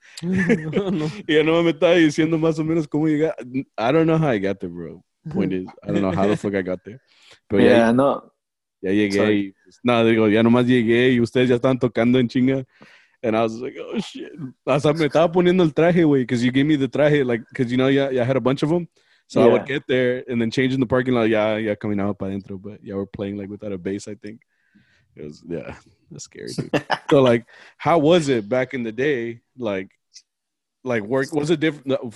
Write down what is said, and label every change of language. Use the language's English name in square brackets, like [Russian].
[Spanish] Y no me estaba diciendo más o menos cómo llegar. [English] I don't know how I got there, bro. Point is, I don't know how the fuck I got there. But yeah, yeah, no. [Spanish] Ya llegué. Y, no, digo, ya nomás llegué y ustedes ya estaban tocando en chinga. [English] And I was like, oh, shit. [Spanish] Hasta me estaba poniendo el traje, [English] güey, because you gave me the traje, like, because, you know, yeah, I had a bunch of them. So yeah. I would get there and then change in the parking lot. Yeah, yeah, coming out [Spanish] para adentro. [English] But, yeah, we're playing, like, without a bass, I think. It was, yeah, that's scary, dude. So, like, how was it back in the day? Like work, was it different?